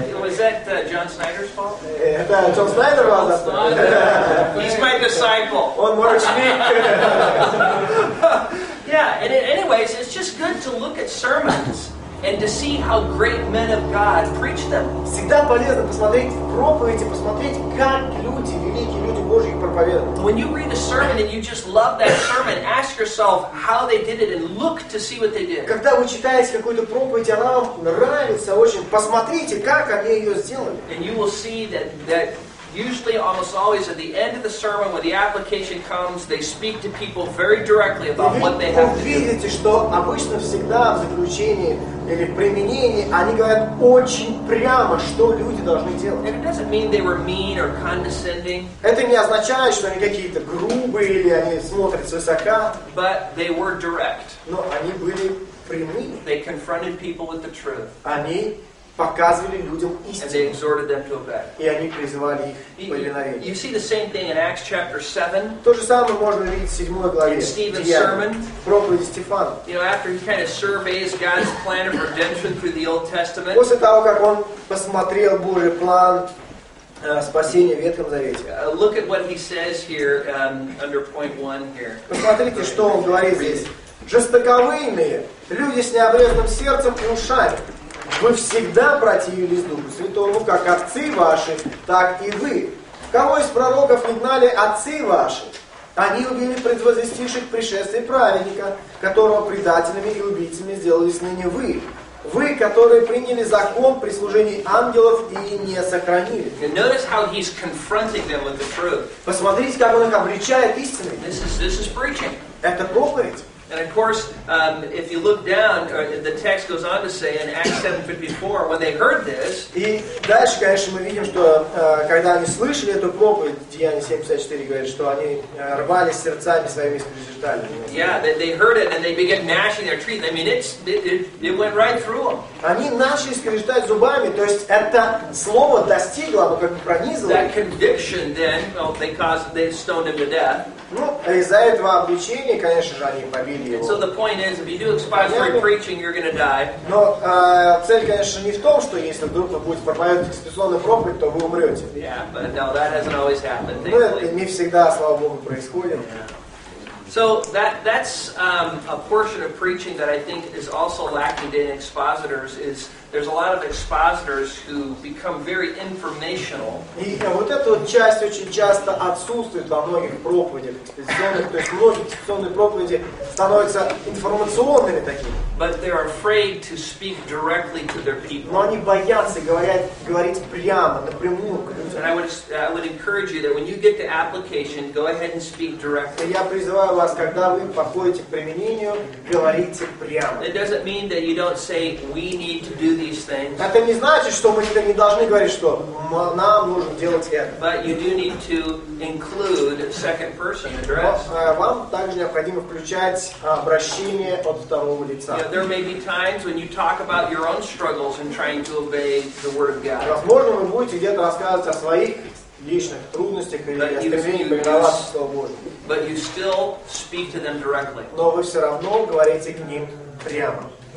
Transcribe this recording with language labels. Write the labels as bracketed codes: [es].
[en] Was that John Snyder's fault? John Snyder was that. He's my disciple. One more speak. Yeah, and anyways, it's just good to look at sermons and to see how great men of God preach them. [ru] Всегда полезно посмотреть проповеди, посмотреть, как люди, великие люди Божьи проповедуют. [en] When you read a sermon and you just love that sermon, ask yourself how they did it and look to see what they did. [ru] Когда вы читаете какую-то проповедь, она вам нравится очень, посмотрите, как они ее сделали. [en] And you will see that usually, almost always, at the end of the sermon, when the application comes, they speak to people very directly about what they have to do. [ru] Вы видите, что обычно всегда в заключении или применении они говорят очень прямо, что люди должны делать. [en] And it doesn't mean they were mean or condescending. [ru] Это не означает, что они какие-то грубые или они смотрят свысока. [en] But they were direct. [ru] Но они были прямые. [en] They confronted people with the truth. [ru] Они показывали людям истину. [en] And they exhorted them to obey. [ru] И они призывали их повиновению. [en] You see the same thing in Acts chapter 7. [ru] То же самое можно видеть в 7 главе. [en] In Stephen's sermon. [ru] Проповеди Стефана. [en] You know, after he kind of surveys God's plan of redemption through the Old Testament. [ru] После того, как он посмотрел Божий план спасения в Ветхом Завете. [en] Look at what he says here under point 1 here. [ru] Посмотрите, что он говорит здесь. Жестоковыйные люди с необрезанным сердцем и ушами. Вы всегда противились Духу Святому, как отцы ваши, так и вы. Кого из пророков не гнали отцы ваши? Они убили предвозвестивших пришествие праведника, которого предателями и убийцами сделались ныне вы. Вы, которые приняли закон при служении ангелов и не сохранили. [en] Notice how he's confronting them with the truth. [ru] Посмотрите, как он их обличает истиной. [en] This is preaching. [ru] Это проповедь. [en] And of course, if you look down, the text goes on to say in Acts 7:54, when they heard this. [ru] И дальше, конечно, мы видим, что когда они слышали эту проповедь, Деяния 7:54 говорит, что они рвались сердцами своими скрежетали. [en] Yeah, they heard it and they began gnashing their teeth. I mean, it went right through them. [ru] Они начали скрежетать зубами, то есть это слово достигло, оно как бы пронизило. [en] That conviction then, well, they stoned him to death. [ru] Ну, из-за этого обличения, конечно же, они побили его. [en] So the point is, if you do expository preaching, you're going to die. [ru] Но цель, конечно, не в том, что если вдруг вы будете проповедовать экспозиционную проповедь, то вы умрете. [en] Yeah, but no, that hasn't always happened, thankfully. [ru] Ну, это не всегда, слава Богу, происходит. [en] So that's a portion of preaching that I think is also lacking in expositors is there's a lot of expositors who become very informational. [ru] И вот эта вот часть очень часто отсутствует во многих проповедях экспозиционных, то есть многие экспозиционные проповеди становятся информационными такими. [en] But they're afraid to speak directly to their people. [ru] Но они боятся говорить прямо, напрямую к людям. [en] And I would encourage you that when you get to application, go ahead and speak directly. [ru] Я призываю вас, когда вы подходите к применению, говорите прямо. [en] It doesn't mean that you don't say we need to do these things. [ru] Это не значит, что мы не должны говорить, что нам нужно делать это. [en] But you do need to include second person address. [ru] Вам также необходимо включать обращение от второго лица. [en] You know, there may be times when you talk about your own struggles in trying to obey the word of God. [ru] Возможно, вы будете где-то рассказывать о своих личных трудностях или стремлении повиноваться Слову Божьему. [en] But you still speak to them directly. [ru] Но вы все равно говорите к ним прямо.